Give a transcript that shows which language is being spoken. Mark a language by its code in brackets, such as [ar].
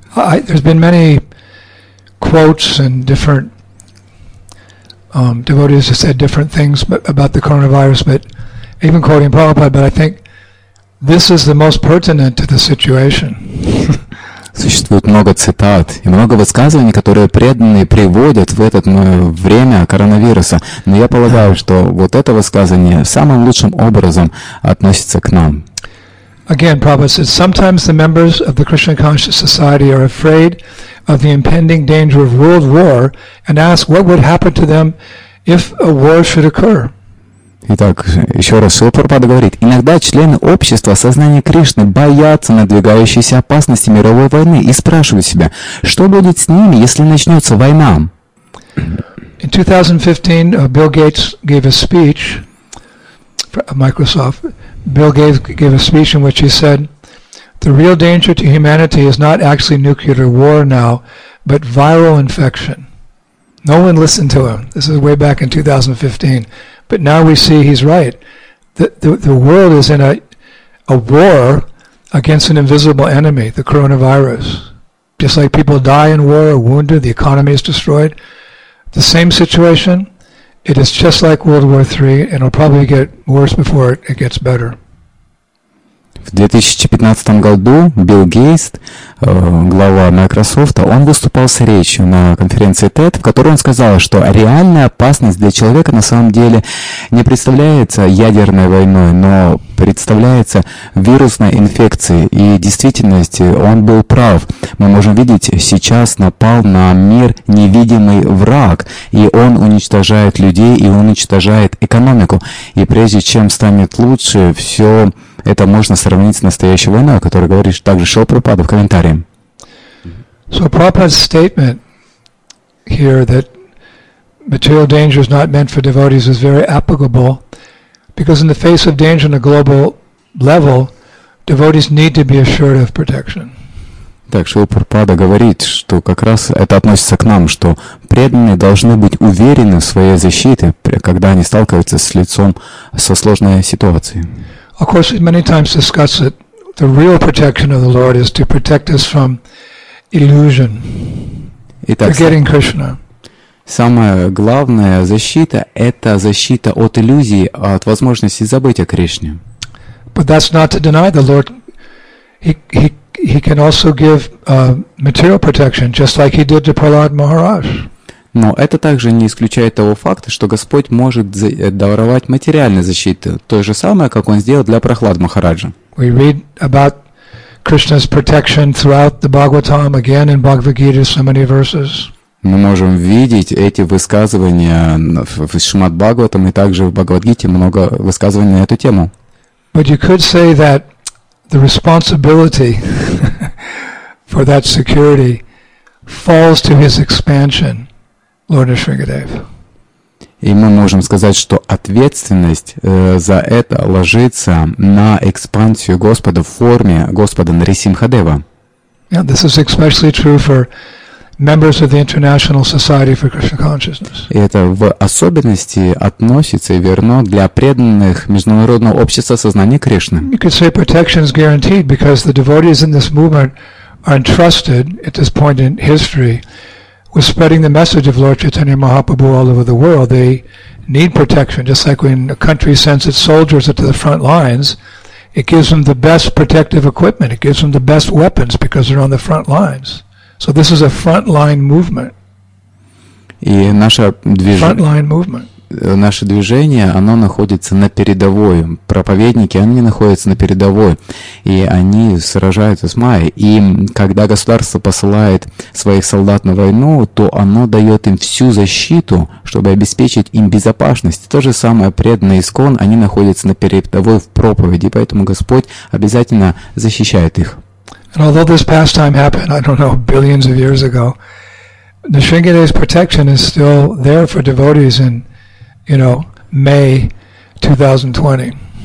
[en] There's been many quotes and different devotees have said different things about the coronavirus, but even quoting Prabhupada, but I think this is the most pertinent to the situation. [ru] Существует много цитат и много высказываний, которые преданные приводят в это время коронавируса, но я полагаю, что вот это высказывание самым лучшим образом относится к нам. [en] Again, Prabhupada says, sometimes the members of the Krishna Conscious Society are afraid of the impending danger of world war and ask what would happen to them if a war should occur. [ru] Итак, еще раз, Шрила Прабхупада говорит, иногда члены общества сознания Кришны боятся надвигающейся опасности мировой войны и спрашивают себя, что будет с ними, если начнется война? [en] In 2015, Bill Gates gave a speech from Microsoft. Bill Gates gave a speech in which he said, the real danger to humanity is not actually nuclear war now, but viral infection. No one listened to him. This is way back in 2015. But now we see he's right. The world is in a war against an invisible enemy, the coronavirus. Just like people die in war or wounded, the economy is destroyed. The same situation, it is just like World War III, and it'll probably get worse before it gets better. [ru] В 2015 году Билл Гейтс, глава Microsoft, он выступал с речью на конференции TED, в которой он сказал, что реальная опасность для человека на самом деле не представляется ядерной войной, но представляется вирусной инфекцией. И в действительности он был прав. Мы можем видеть, сейчас напал на мир невидимый враг, и он уничтожает людей и уничтожает экономику. И прежде чем станет лучше, все это можно сравнить с настоящей войной, о которой говоришь также Шрила Прабхупада в комментарии. [en] So Prabhupada's statement here that material danger is not meant for devotees is very applicable, because in the face of danger on a global level, devotees need to be assured of protection. [ru] Так, Шрила Прабхупада говорит, что как раз это относится к нам, что преданные должны быть уверены в своей защите, когда они сталкиваются с лицом со сложной ситуацией. [en] Of course, we many times discuss it. The real protection of the Lord is to protect us from illusion, forgetting Krishna. [ru] Самая главная защита – это защита от иллюзий, от возможности забыть о Кришне. [en] But that's not to deny the Lord. He can also give material protection, just like he did to Prahlad Maharaj. [ru] Но это также не исключает того факта, что Господь может даровать материальную защиту, то же самое, как он сделал для Прахлад Махараджа. [en] We read about Krishna's protection throughout the Bhagavatam, again in Bhagavad Gita, so many verses. [ru] Мы можем видеть эти высказывания в Шримад Бхагаватам и также в Бхагавад Гите много высказываний на эту тему. [en] But you could say that the responsibility for that security falls to his expansion, Lord Nrisimhadev. [ru] И мы можем сказать, что ответственность за это ложится на экспансию Господа в форме Господа Нрисимхадева. [en] Yeah, this is especially true for members of the International Society for Krishna Consciousness. [ru] И это в особенности относится и верно для преданных Международного общества сознания Кришны. [en] You could say protection is guaranteed because the devotees in this movement are entrusted at this point in history with spreading the message of Lord Chaitanya Mahaprabhu all over the world. They need protection, just like when a country sends its soldiers to the front lines, it gives them the best protective equipment, it gives them the best weapons because they're on the front lines. So this is a frontline movement. [ru] И наше [en] Frontline movement. [ru] Наше движение, оно находится на передовой. Проповедники, они находятся на передовой. И они сражаются с Майей. И когда государство посылает своих солдат на войну, то оно дает им всю защиту, чтобы обеспечить им безопасность. То же самое преданные ИСКОН, они находятся на передовой в проповеди. Поэтому Господь обязательно защищает их. [en] And although this pastime happened, I don't know, billions of years ago, the Nrisimhadev's protection is still there for devotees in, you know, May 2020.